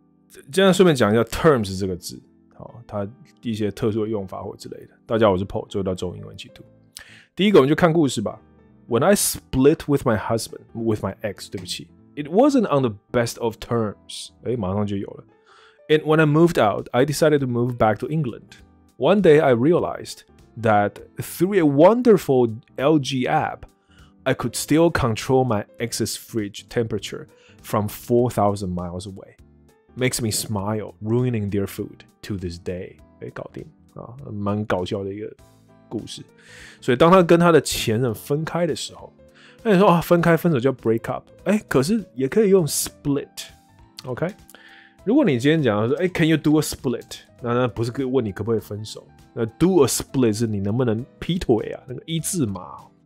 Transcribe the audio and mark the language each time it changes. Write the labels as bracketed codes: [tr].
[zh] 今天顺便讲一下 terms 这个字，好，它一些特殊的用法或之类的。大家好，我是 Paul， 最后到中英文解读。第一个，我们就看故事吧。 [en] When I split with my husband, with my ex, [zh] 对不起 [en] ，it wasn't on the best of terms。 [zh] 哎，马上就有了。 [en] And when I moved out, I decided to move back to England. One day, I realized that through a wonderful LG app, I could still control my ex's fridge temperature from 4,000 miles away. Makes me smile, ruining their food to this day. [zh] 哎，搞定啊，蛮搞笑的一个故事。所以当他跟他的前任分开的时候，那你说啊，分开分手叫 break up， 哎，可是也可以用 split， OK？如果你今天讲说，哎， [en] can you do a split？ [zh] 那不是问你可不可以分手，那 do a split 是你能不能劈腿啊，那个一字马。